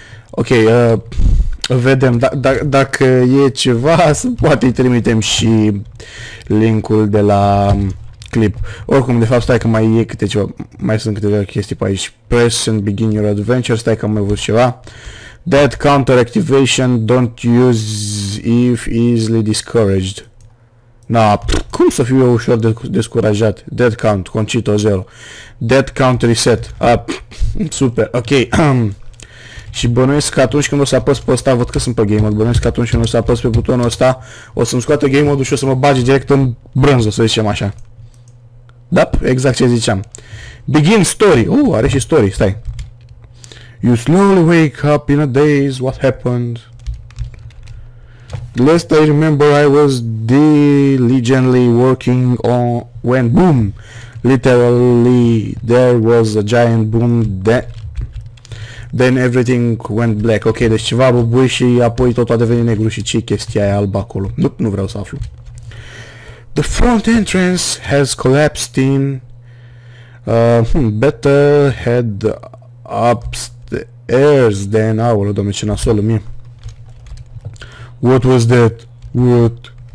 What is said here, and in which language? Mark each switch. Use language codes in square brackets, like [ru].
[ro] Ok, vedem, dacă e ceva, poate îi trimitem și linkul de la clip. Oricum, de fapt, stai că mai e câte ceva, mai sunt câteva chestii pe aici. [en] Press and begin your adventure, [ro] stai că am mai văzut ceva. [en] Dead counter activation, don't use if easily discouraged. [ro] Na, cum să fiu eu ușor descurajat? Dead count, Conchito 0. [en] Dead count reset. [ro] Super, ok. Și bănuiesc că atunci când o să apăs pe ăsta, văd că sunt pe game mode, bănuiesc că atunci când o să apăs pe butonul ăsta, o să-mi scoată game mode-ul și o să mă bage direct în brânză, să zicem așa. Da, exact ce ziceam. [en] Begin story. [ro] Are și story, stai. [en] You slowly wake up in a daze, what happened? Last I remember I was diligently working on when boom! Literally there was a giant boom that then everything went black. [ro] Ok, deci ceva a bubui și apoi totul a devenit negru și ce chestia e albă acolo? [en] Nope, [ro] nu vreau să aflu. [en] The front entrance has collapsed in. Better head upstairs than our domicina solumie. What was that? What?